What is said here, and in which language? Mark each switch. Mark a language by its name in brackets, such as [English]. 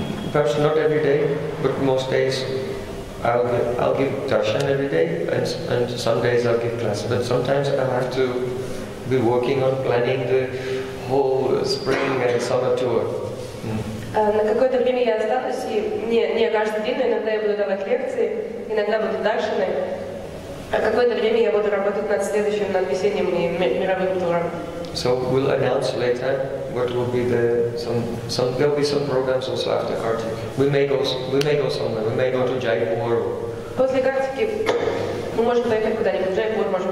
[English] Perhaps not every day, but most days I'll give darshan every day, and some days I'll give class. But sometimes I have to be working on planning the whole spring and summer tour. [Russian] На какое-то время я останусь, и не каждый день, но иногда я буду давать лекции, иногда буду даршаны. А какое-то время я буду работать над следующим, над весенним и мировым туром. [English] So we'll announce later what will be the some there'll be some programs also after Kartik. We may go somewhere. We may go to Jaipur. [Russian] После Картики мы можем поехать куда-нибудь. Jaipur можем поехать. Мы объявим позже.